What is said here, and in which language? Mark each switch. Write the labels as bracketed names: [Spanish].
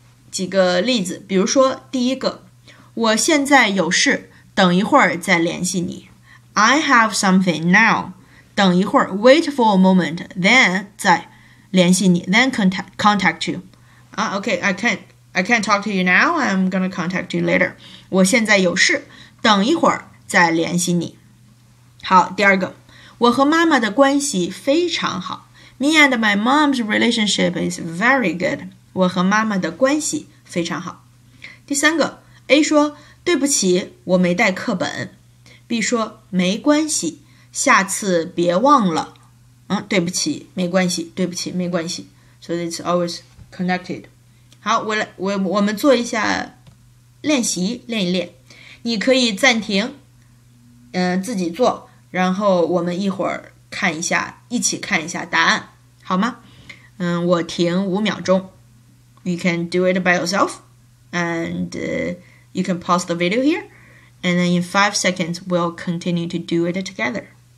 [Chinese] 几个例子比如说第一个我现在有事等一会儿再联系你 [English] I have something now [Chinese] 等一会儿 [English] wait for a moment then [Chinese] 再联系你 [English] then contact you okay, I can't talk to you now, I'm going to contact you later. [Chinese] 我现在有事,等一会儿再联系你。好,第二个,我和妈妈的关系非常好。 [English] Me and my mom's relationship is very good. [Chinese] 我和妈妈的关系非常好。第三个 ,A 说,对不起,我没带课本。 B 说,没关系,下次别忘了。嗯,对不起,没关系,对不起,没关系。 [English] So it's always... connected. [Chinese] 好我们做一下练习练一练。你可以暂停自己做然后我们一会儿看一下一起看一下答案好吗我停五秒钟。 [English] You can do it by yourself, and you can pause the video here, and then in 5 seconds, we'll continue to do it together.